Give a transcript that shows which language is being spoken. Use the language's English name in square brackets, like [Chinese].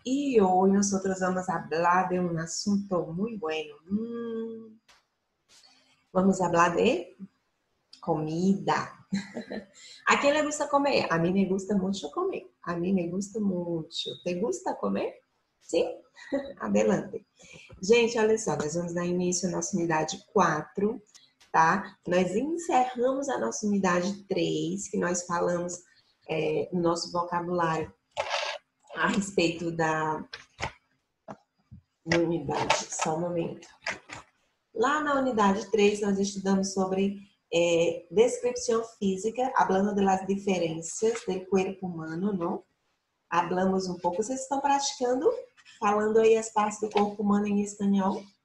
[Spanish] Y hoy nosotros vamos a hablar de un asunto muy bueno. Vamos a hablar de comida. ¿A quién le gusta comer? A mí me gusta mucho comer. A mí me gusta mucho. ¿Te gusta comer? ¿Sí? Adelante. [Portuguese] Gente, olha só, nós vamos dar início à nossa unidade 4, tá? Nós encerramos a nossa unidade 3, que nós falamos nosso vocabulário a respeito da unidade. Só um momento. Lá na unidade 3, nós estudamos sobre [Spanish] descripción física, hablando de las diferencias del cuerpo humano, ¿no? Hablamos un poco. ¿Ustedes están practicando? Falando ahí las partes del cuerpo humano en español.